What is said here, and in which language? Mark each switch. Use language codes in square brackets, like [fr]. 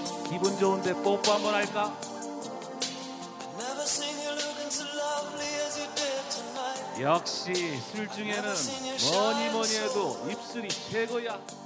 [ko] 기분 좋은데 뽀뽀 한번 할까? [en] Never seen you looking so lovely as you did tonight. [ko] 역시 술 중에는 뭐니 뭐니 해도 입술이 최고야.